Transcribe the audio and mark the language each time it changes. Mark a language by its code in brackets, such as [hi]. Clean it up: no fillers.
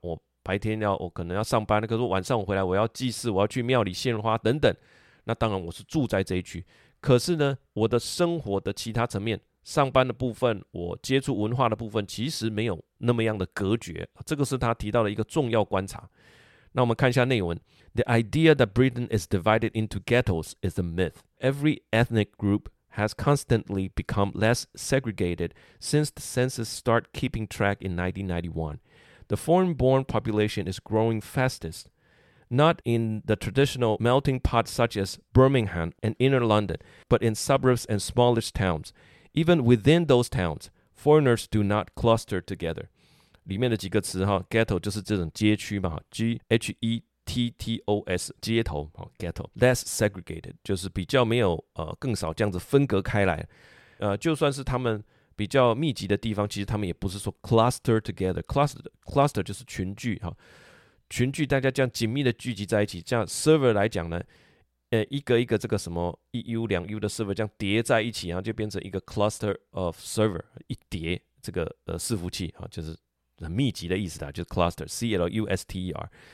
[zh] 我白天要，我可能要上班，可是晚上我回来我要祭祀，我要去庙里献花等等，那当然我是住在这一区。可是呢，我的生活的其他层面，上班的部分，我接触文化的部分，其实没有那么样的隔绝。这个是他提到的一个重要观察。那我们看一下内文。 [en] The idea that Britain is divided into ghettos is a myth. Every ethnic grouphas constantly become less segregated since the census start keeping track in 1991. The foreign-born population is growing fastest, not in the traditional melting pot such as Birmingham and inner London, but in suburbs and smaller towns. Even within those towns, foreigners do not cluster together. [zh] 里面的几个词 ,ghetto 就是这种街区嘛 ,GHETTOS 街头 ,ghetto, [en] less segregated, [zh] 就是比较没有更少这样子分隔开来。就算是他们比较密集的地方，其实他们也不是说 [en] cluster together, [zh] cluster 就是群聚，群聚大家这样紧密的聚集在一起，这样 server 来讲呢，一个一个这个什么一 U 两 U 的 server 这样叠在一起，然后就变成一个 [en] cluster of server, [zh] 一叠这个伺服器，就是很密集的意思啦，就是 cluster,C-L-U-S-T-E-R。